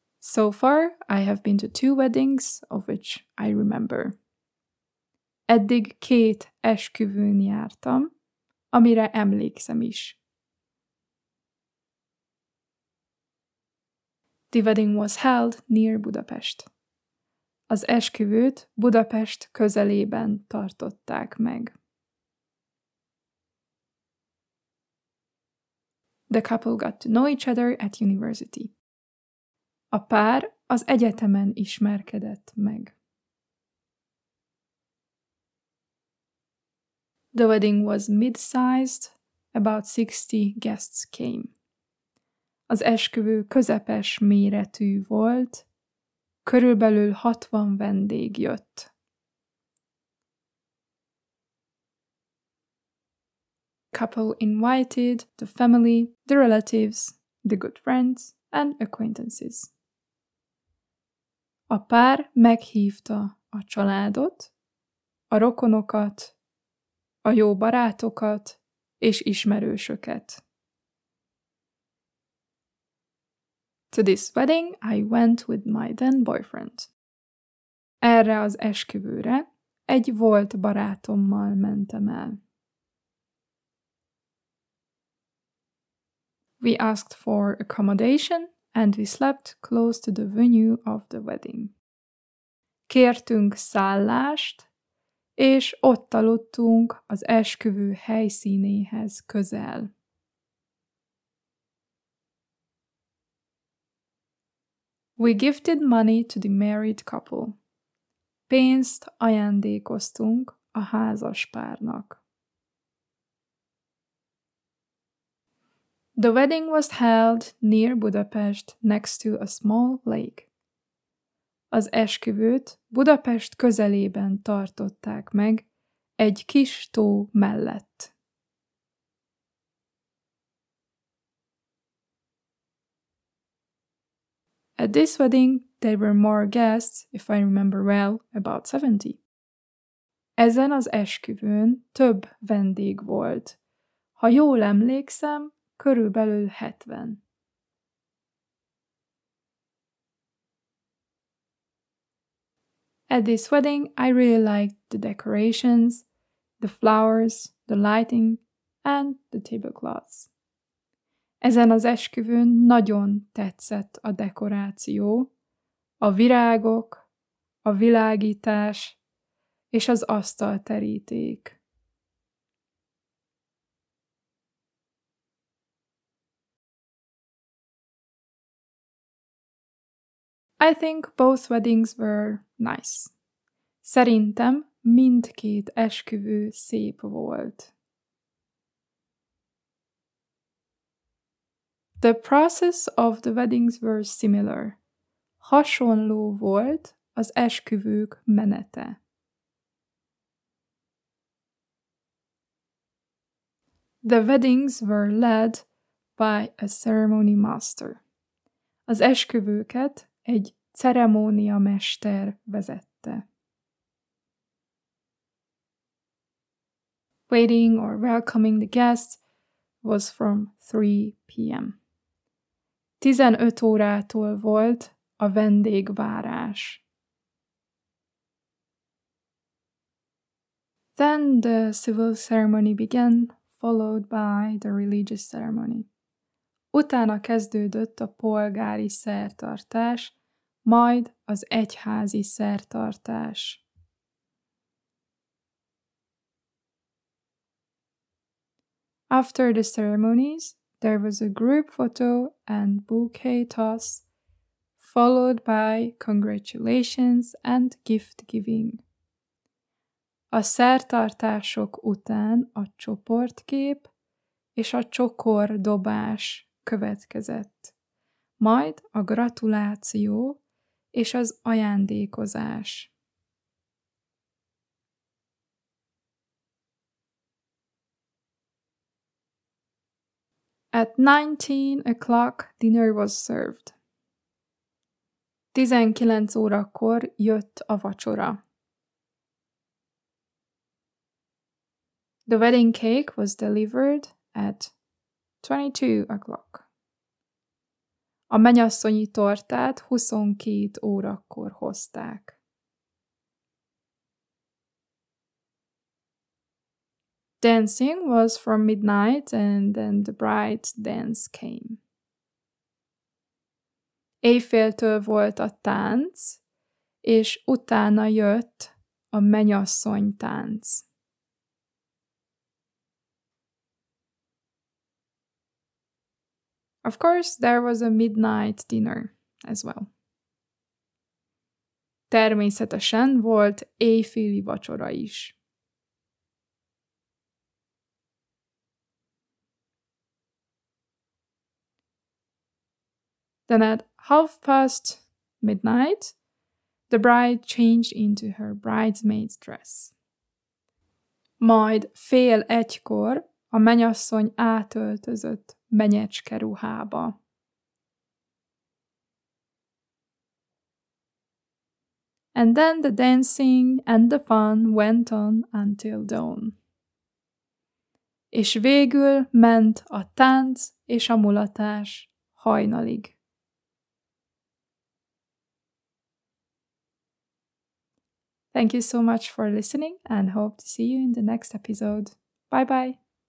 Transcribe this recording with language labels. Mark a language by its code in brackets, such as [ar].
[en] So far, I have been to 2 weddings, of which I remember. [hu] Eddig 2 esküvőn jártam, amire emlékszem is. [en] The wedding was held near Budapest. [hu] Az esküvőt Budapest közelében tartották meg. [en] The couple got to know each other at university. [hu] A pár az egyetemen ismerkedett meg. [en] The wedding was mid-sized, about 60 guests came. [hu] Az esküvő közepes méretű volt, körülbelül 60 vendég jött. [en] Couple invited the family, the relatives, the good friends and acquaintances. [hu] A pár meghívta a családot, a rokonokat, a jó barátokat és ismerősöket. [en] To this wedding I went with my then boyfriend. [hu] Erre az esküvőre egy volt barátommal mentem el. [en] We asked for accommodation and we slept close to the venue of the wedding. [hu] Kértünk szállást, és ott aludtunk az esküvő helyszínéhez közel. [en] We gifted money to the married couple. [hu] Pénzt ajándékoztunk a házaspárnak. [en] The wedding was held near Budapest next to a small lake. [hu] Az esküvőt Budapest közelében tartották meg, egy kis tó mellett. [en] At this wedding there were more guests, if I remember well, about 70. [hu] Ezen az esküvőn több vendég volt. Ha jól emlékszem, körülbelül 70. [en] At this wedding, I really liked the decorations, the flowers, the lighting, and the tablecloths. [hu] Ezen az esküvőn nagyon tetszett a dekoráció, a virágok, a világítás és az asztalteríték. [en] I think both weddings were nice. [hu] Szerintem mindkét esküvő szép volt. [en] The process of the weddings were similar. [hu] Hasonló volt az esküvők menete. [en] The weddings were led by a ceremony master. [hu] Az esküvőket egy ceremóniamester vezette. [en] Waiting or welcoming the guests was from 3 p.m. [hu] 15 órától volt a vendégvárás. [en] Then the civil ceremony began, followed by the religious ceremony. [hu] Utána kezdődött a polgári szertartás, majd az egyházi szertartás. [en] After the ceremonies, there was a group photo and bouquet toss, followed by congratulations and gift giving. [hu] A szertartások után a csoportkép és a csokordobás következett, majd a gratuláció és az ajándékozás. [en] At 19 o'clock dinner was served. [hu] 19 órakor jött a vacsora. [en] The wedding cake was delivered at 22 o'clock. [hu] A menyasszonyi tortát 22 órakor hozták. [en] Dancing was from midnight and then the bride's dance came. [hu] Éjféltől volt a tánc, és utána jött a menyasszony tánc. [en] Of course, there was a midnight dinner as well. [hu] Természetesen volt éjféli vacsora is. [en] Then at 12:30, the bride changed into her bridesmaid's dress. [hu] Majd 12:30 a menyasszony átöltözött menyecske ruhába. [en] And then the dancing and the fun went on until dawn. [hu] És végül ment a tánc és a mulatás hajnalig. [en] Thank you so much for listening and hope to see you in the next episode. Bye-bye!